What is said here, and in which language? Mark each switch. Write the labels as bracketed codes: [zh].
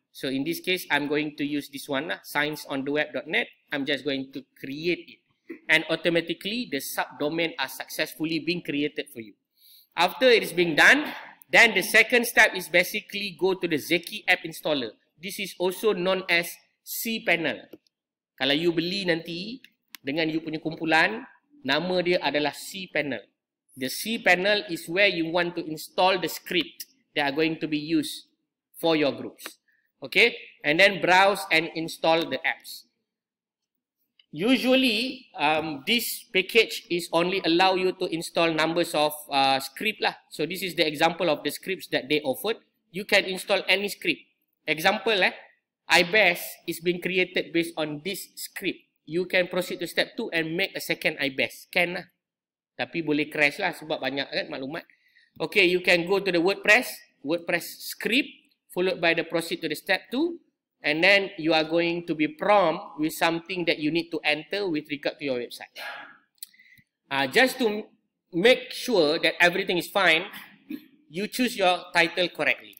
[en] So in this case, I'm going to use this one lah. scienceontheweb.net. I'm just going to create it. And automatically, the subdomain are successfully being created for you. After it is being done, then the second step is basically go to the Zeki app installer. This is also known as cPanel. [ms] Kalau you beli nanti, dengan you punya kumpulan, nama dia adalah cPanel. [en] The cPanel is where you want to install the script that are going to be used for your groups. Okay, and then browse and install the apps. Usually, this package is only allow you to install numbers of script lah. So this is the example of the scripts that they offered. You can install any script. Example iBest is being created based on this script. You can proceed to step 2 and make a second iBest. Can lah. [ms] Tapi boleh crash lah sebab banyak kan maklumat. [en] Okay, you can go to the WordPress script, followed by the proceed to the step 2. And then you are going to be prompt with something that you need to enter with regard to your website. Just to make sure that everything is fine, you choose your title correctly.